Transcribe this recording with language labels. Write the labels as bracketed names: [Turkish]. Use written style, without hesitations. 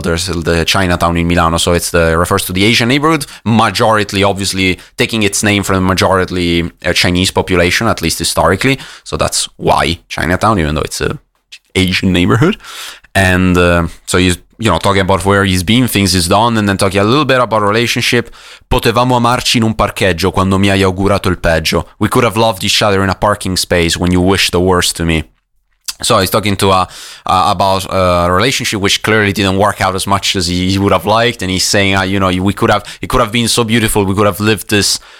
[English] There's the Chinatown in Milano. So it refers to the Asian neighborhood, majority, obviously taking its name from the majority Chinese population, at least historically. So that's why Chinatown, even though it's a Asian neighborhood. And so he's, you know, talking about where he's been, things he's done, and then talking a little bit about relationship. [Italian] Potevamo amarci in un parcheggio quando mi hai augurato il peggio. [English] We could have loved each other in a parking space when you wished the worst to me. So he's talking to about a relationship which clearly didn't work out as much as he would have liked, and he's saying, you know, we could have, it could have been so beautiful. We could have lived this